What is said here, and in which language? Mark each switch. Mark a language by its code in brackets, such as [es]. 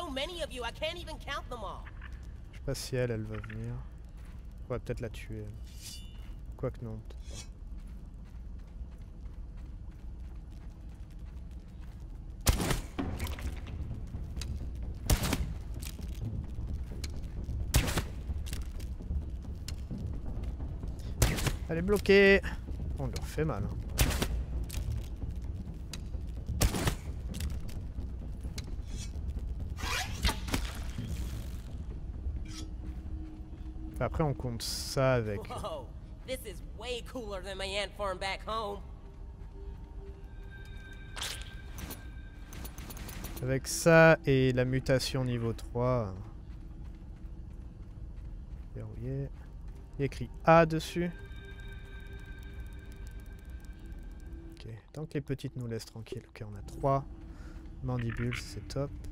[en] so many of you, I can't even count them all. [fr] Je sais pas si elle, elle va venir. On va peut-être la tuer. Quoique non, peut-être pas. Elle est bloquée. On leur fait mal. Hein. Après, on compte ça avec. [en] Wow, this is way cooler than my ant farm back home. [fr] Avec ça et la mutation niveau 3. Verrouillé. Il y a écrit A dessus. Ok, tant que les petites nous laissent tranquilles. Ok, on a 3 mandibules, c'est top.